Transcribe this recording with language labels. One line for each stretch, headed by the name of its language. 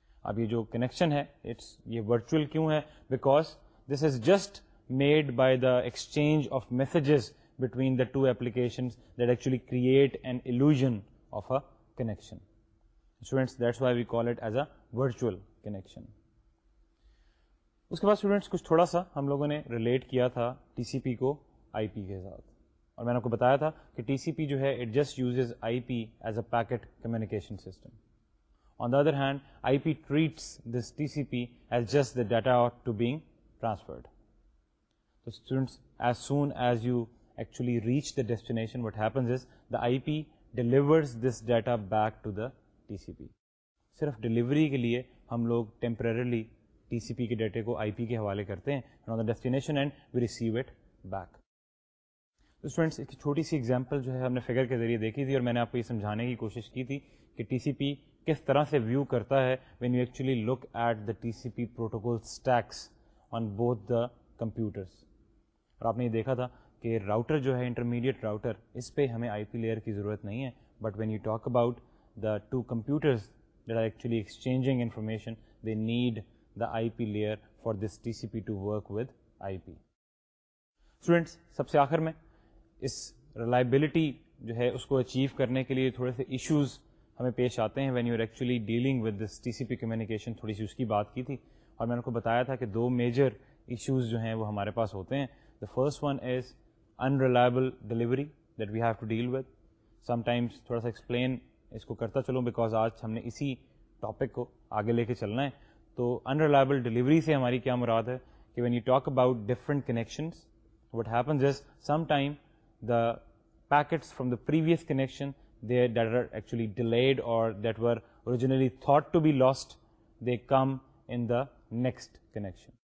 Urdu: Ab ye jo connection hai,
English: it's
Urdu: ye virtual kyun hai?
English: Because this is just made by the exchange of messages between the two applications that actually create an illusion of a connection. Students, that's why we call it as a virtual connection.
Urdu: اس کے بعد students کچھ تھوڑا سا ہم لوگوں نے relate کیا تھا ٹی سی پی کو آئی پی کے ساتھ, اور میں نے آپ کو بتایا تھا کہ ٹی سی پی جو ہے
English: It just uses I P as a packet communication system. On the other hand I P treats this T C P as just the data to being transferred. تو students as soon as you actually reach the destination what happens is the I P delivers this data back to the T C P.
Urdu: صرف delivery کے لیے ہم لوگ temporarily T C پی کے ڈیٹے کو آئی پی کے حوالے کرتے ہیں
English: Destination and we receive it back.
Urdu: Students ایک چھوٹی سی ایگزامپل جو ہے ہم نے فگر کے ذریعے دیکھی تھی, اور میں نے آپ کو یہ سمجھانے کی کوشش کی تھی کہ ٹی سی پی کس طرح سے ویو کرتا ہے
English: When you actually look at the T C P protocol stacks on both the computers.
Urdu: اور آپ نے یہ دیکھا تھا کہ راؤٹر جو ہے انٹرمیڈیٹ راؤٹر, اس پہ ہمیں آئی پی لیئر کی ضرورت نہیں ہے,
English: But when you talk about the two computers that are actually exchanging information, they need the IP layer for this TCP to work with IP.
Urdu: Students, سب سے آخر میں اس reliability جو ہے اس کو اچیو کرنے کے لیے تھوڑے سے ایشوز ہمیں پیش آتے ہیں
English: When you are actually dealing with this T C P communication.
Urdu: تھوڑی سی اس کی بات کی تھی اور میں نے کو بتایا تھا کہ دو میجر ایشوز جو ہیں وہ ہمارے پاس ہوتے ہیں.
English: The first one is unreliable delivery that we have to deal with. Sometimes
Urdu: تھوڑا سا ایکسپلین اس کو کرتا چلوں
English: because
Urdu: آج ہم نے اسی ٹاپک کو آگے لے کے چلنا ہے. تو ان ریلائبل ڈلیوری سے ہماری کیا مراد ہے کہ
English: When you talk about different connections what happens is some time the packets from the previous connection they that are actually delayed or that were originally thought to be lost they come in the next connection.